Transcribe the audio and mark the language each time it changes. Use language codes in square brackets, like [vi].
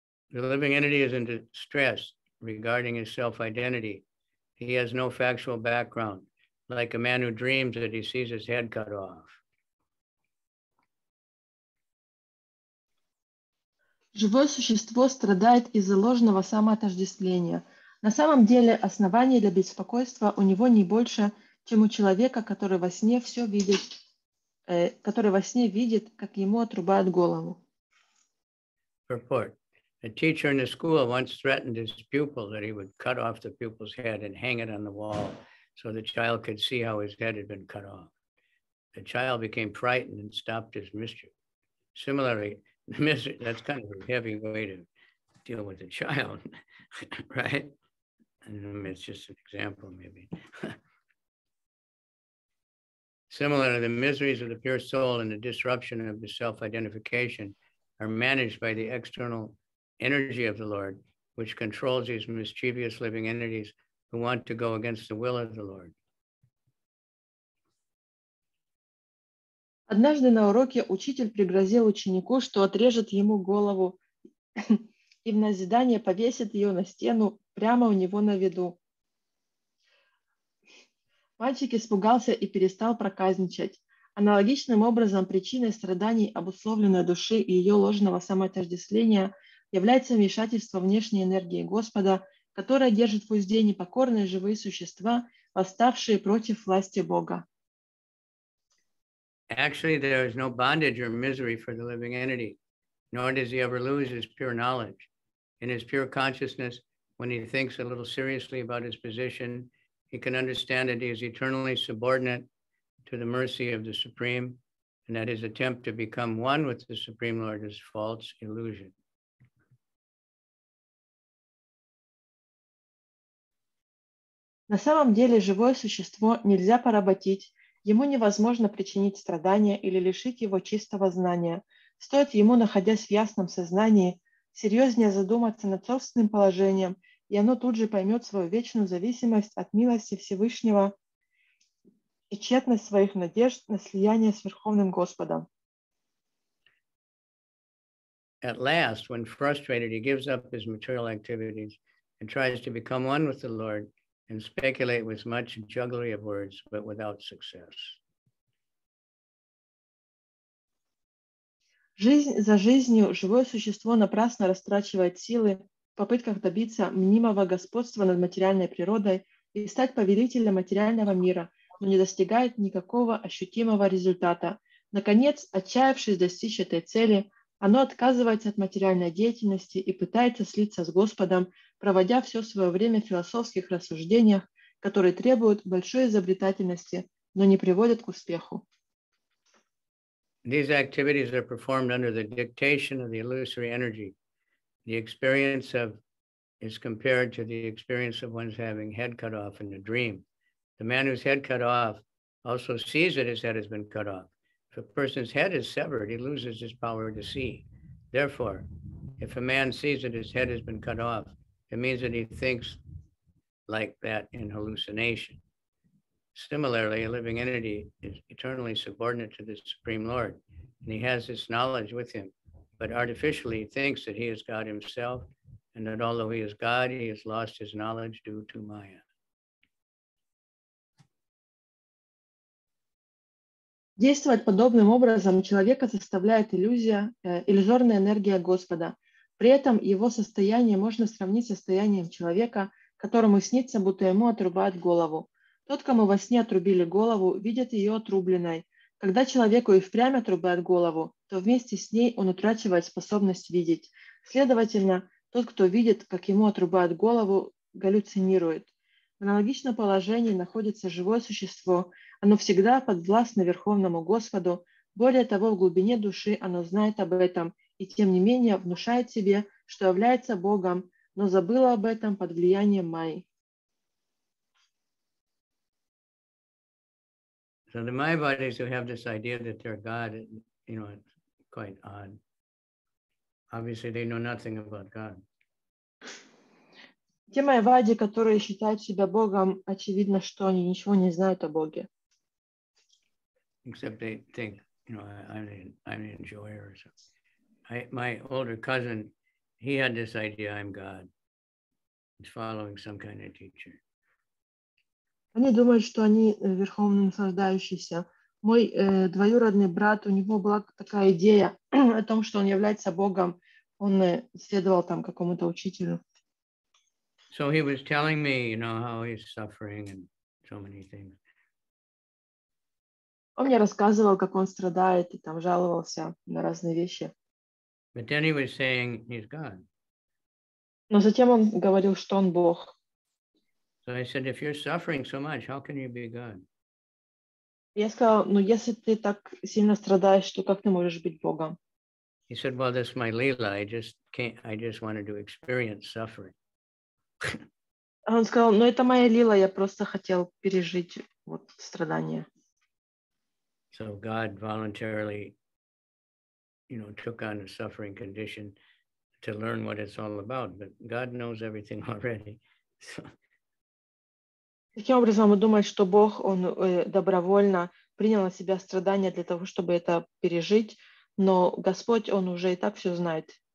[en] The living entity is in distress regarding his self-identity. He has no factual background, like a man who dreams that he sees his head cut off. [ru] Живое существо страдает из-за ложного самоотождествления. На самом деле оснований для беспокойства у него не больше, чем у человека, который во сне все видит, который во сне видит, как ему отрубают голову. [en] Report. A teacher in a school once threatened his pupil that he would cut off the pupil's head and hang it on the wall so the child could see how his head had been cut off. The child became frightened and stopped his mischief. Similarly, that's kind of a heavy way to deal with a child, right? And it's just an example, maybe. Similarly, the miseries of the pure soul and the disruption of the self-identification are managed by the external energy of the Lord, which controls these mischievous living entities who want to go against the will of the Lord. [ru] Однажды на уроке учитель пригрозил ученику, что отрежет ему голову и в назидание повесит ее на стену прямо у него на виду. Мальчик испугался и перестал проказничать. Аналогичным образом причиной страданий, обусловленной души и ее ложного самоотождествления, является вмешательство внешней энергии Господа, которая держит в узде непокорные живые существа, восставшие против власти Бога. [en] Actually, there is no bondage or misery for the living entity, nor does he ever lose his pure knowledge. In his pure consciousness, when he thinks a little seriously about his position, he can understand that he is eternally subordinate to the mercy of the Supreme, and that his attempt to become one with the Supreme Lord is false illusion. [ru] На самом деле, живое существо нельзя поработить. Ему невозможно причинить страдания или лишить его чистого знания. Стоит ему, находясь в ясном сознании, серьезнее задуматься над собственным положением, и оно тут же поймет свою вечную зависимость от милости Всевышнего и тщетность своих надежд на слияние с Верховным Господом. [en] At last, when frustrated, he gives up his material activities and tries to become one with the Lord, and speculate with much jugglery of words, but without success. [ru] Жизнь за жизнью живое существо напрасно растрачивает силы в попытках добиться мнимого господства над материальной природой и стать повелителем материального мира, но не достигает никакого ощутимого результата. Наконец, отчаявшись достичь этой цели, оно отказывается от материальной деятельности и пытается слиться с Господом, проводя все свое время в философских рассуждениях, которые требуют большой изобретательности, но не приводят к успеху. [en] These activities are performed under the dictation of the illusory energy. The experience of is compared to the experience of one's having head cut off in a dream. The man whose head cut off also sees that his head has been cut off. If a person's head is severed, he loses his power to see. Therefore, if a man sees that his head has been cut off, it means that he thinks like that in hallucination. Similarly, a living entity is eternally subordinate to the Supreme Lord, and he has this knowledge with him, but artificially thinks that he is God himself, and that although he is God, he has lost his knowledge due to Maya. [ru] Действовать подобным образом человека заставляет иллюзия, иллюзорная энергия Господа. При этом его состояние можно сравнить с состоянием человека, которому снится, будто ему отрубают голову. Тот, кому во сне отрубили голову, видит ее отрубленной. Когда человеку и впрямь отрубают голову, то вместе с ней он утрачивает способность видеть. Следовательно, тот, кто видит, как ему отрубают голову, галлюцинирует. В аналогичном положении находится живое существо. Оно всегда подвластно Верховному Господу. Более того, в глубине души оно знает об этом и, тем не менее, внушает себе, что является Богом, но забыло об этом под влиянием Майи. [en] So the Maya bodies who have this idea that they're God, you know, it's quite odd. Obviously, they know nothing about God. [ru] Те майявади, которые считают себя Богом, очевидно, что они ничего не знают о Боге. [en] Except they think, you know, I'm an enjoyer or something. My older cousin, he had this idea, I'm God. He's following some kind of teacher. [ru] Они думают, что они верховный наслаждающийся. Мой двоюродный брат, у него была такая идея о том, что он является Богом. Он следовал там какому-то учителю. [en] So he was telling me, you know, how he's suffering and so many things. [ru] Он мне рассказывал, как он страдает и там жаловался на разные вещи. [en] But then he was saying he's God. [ru] Но затем он говорил, что он Бог. [en] So I said, if you're suffering so much, how can you be God? [ru] Я сказал, ну если ты так сильно страдаешь, то как ты можешь быть Богом? [en] He said, well, that's my lila. I just wanted to experience suffering. [ru] Он сказал, ну это моя лила, я просто хотел пережить вот страдания. [en] So God voluntarily, you know, took on a suffering condition to learn what it's all about. But God knows everything already. So. [ru] Таким образом, он думает, что Бог, он добровольно принял на себя страдания для того, чтобы это пережить, но Господь, он уже и так все знает.